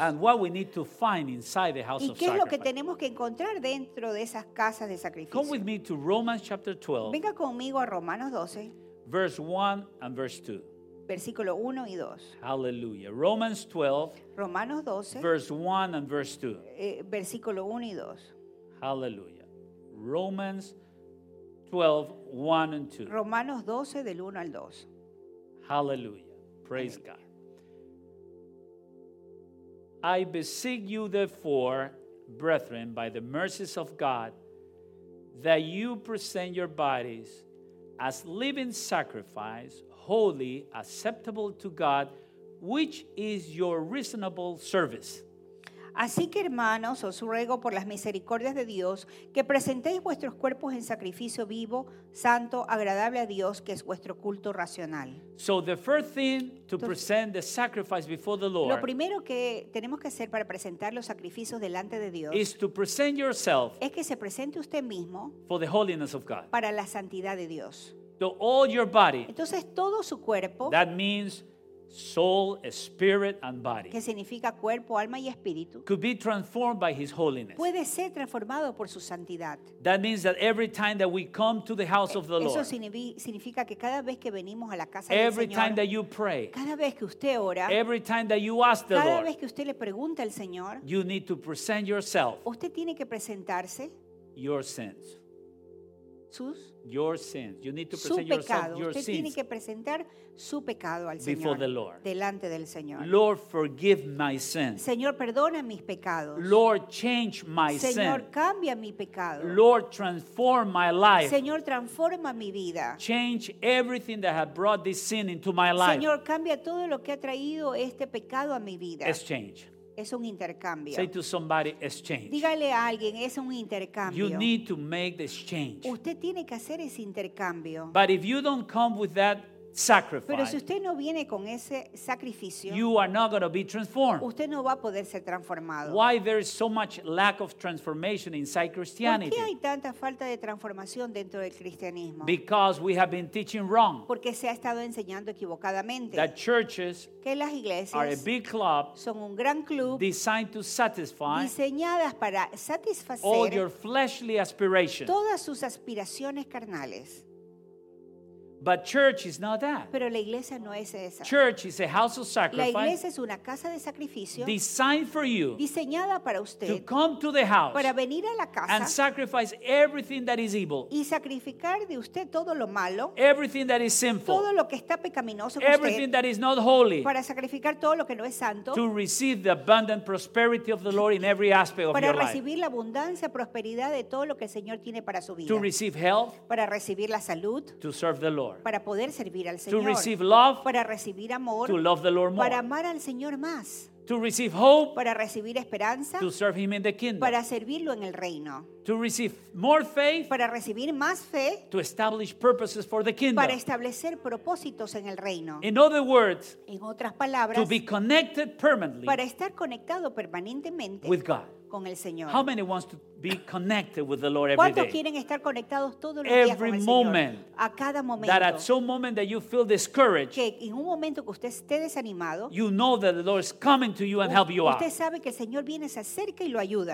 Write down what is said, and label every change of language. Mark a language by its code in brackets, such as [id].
[en] And what we need to find inside the house of sacrifice. [es] ¿Y qué es lo que tenemos que encontrar dentro de esas casas de sacrificio? [en] Come with me to Romans chapter 12. [es] Venga conmigo a Romanos 12. [en] Verse 1 and verse 2. [es] Versículo 1 y 2. [en] Hallelujah. Romans 12. [es] Romanos 12. [en] Verse 1 and verse 2. [es] Versículo 1 y 2. [en] Hallelujah. Romans 12, 1 and 2. [es] Romanos 12 del 1 al 2. [en] Hallelujah. Praise Amen. God. I beseech you therefore, brethren, by the mercies of God, that you present your bodies as living sacrifice, holy, acceptable to God, which is your reasonable service. [es] Así que, hermanos, os ruego por las misericordias de Dios que presentéis vuestros cuerpos en sacrificio vivo, santo, agradable a Dios, que es vuestro culto racional. [en] So the first thing to present the sacrifice before the Lord, [es] lo primero que tenemos que hacer para presentar los sacrificios delante de Dios [en] is to present yourself [es] es que se presente usted mismo [en] for the holiness of God. [es] Para la santidad de Dios. [en] So all your body, [es] entonces, todo su cuerpo, [en] that means soul, spirit, and body. [es] Que significa cuerpo, alma y espíritu. [en] Could be transformed by His holiness. [es] Puede ser transformado por su santidad. [en] That means that every time that we come to the house of the [es] eso [en] Lord. [es] Eso significa que cada vez que venimos a la casa del [en] Señor. Every time that you pray. [es] Cada vez que usted ora. [en] Every time that you ask the [es] cada [en] Lord. [es] Cada vez que usted le pregunta al Señor. [en] You need to present yourself. [es] Usted tiene que presentarse. [en] Your sins. [es] Sus. [en] Your sins. You need to present [es] su pecado. [en] Yourself, your [es] usted [en] sins. [es] Tiene que presentar su pecado al [en] before [es] Señor [en] the Lord. [es] Delante del Señor. [en] Lord, forgive my sins. [es] Señor, perdona mis pecados. [en] Lord, change my sin. [es] Señor, cambia mi pecado. [en] Lord, transform my life. [es] Señor, transforma mi vida. [en] Change everything that has brought this sin into my life. [es] Señor, cambia todo lo que ha traído este pecado a mi vida. [en] Exchange. [es] Es un intercambio. [en] Say to somebody, exchange. [es] Dígale a alguien, es un intercambio. [en] You need to make the exchange. [es] Usted tiene que hacer ese intercambio. [en] But if you don't come with that sacrifice, [es] pero si usted no viene con ese sacrificio, [en] you are not going to be transformed. [es] Usted no va a poder ser transformado. [en] Why there is so much lack of transformation inside Christianity? [es] ¿Por qué hay tanta falta de transformación dentro del cristianismo? [en] Because we have been teaching wrong. [es] Porque se ha estado enseñando equivocadamente. [en] That churches [es] que las iglesias [en] are a big club, [es] son un gran club, [en] designed to satisfy [es] diseñadas para satisfacer [en] all your fleshly aspirations. [es] Todas sus aspiraciones carnales. [en] But church is not that. [es] Pero la iglesia no es esa. [en] Church is a house of sacrifice. [es] La iglesia es una casa de sacrificio. [en] Designed for you. [es] Diseñada para usted. [en] To come to the house. [es] Para venir a la casa. [en] And sacrifice everything that is evil. [es] Y sacrificar de usted todo lo malo. [en] Everything that is sinful. [es] Todo lo que está pecaminoso. [en] Everything [es] usted, [en] that is not holy. [es] Para sacrificar todo lo que no es santo. [en] To receive the abundant prosperity of the Lord in every aspect of your life. [es] Para recibir la abundancia, prosperidad de todo lo que el Señor tiene para su vida. [en] To receive health. [es] Para recibir la salud. [en] To serve the Lord. [es] Para poder servir al Señor. [en] To receive love, [es] para recibir amor. [en] To love the Lord more. [es] Para amar al Señor más. [en] To receive hope. [es] Para recibir esperanza. [en] To serve him in the kingdom. [es] Para servirlo en el reino. [en] To receive more faith. [es] Para recibir más fe. [en] To establish purposes for the kingdom. [es] Para establecer propósitos en el reino. [en] In other words. [es] En otras palabras. [en] To be connected permanently. [es] Para estar conectado permanentemente. [en] With God. [es] Con el Señor. [en] How many wants to be connected with the Lord every [es] ¿Cuántos [en] day? [es] ¿Cuántos quieren estar conectados todos los días con el Señor? [en] Every moment. [es] A cada momento. [en] That at some moment that you feel discouraged. [es] Que en un momento que usted esté desanimado. [en] You know that the Lord is coming to you and help you out. [es] Usted sabe que el Señor viene, se acerca y lo ayuda.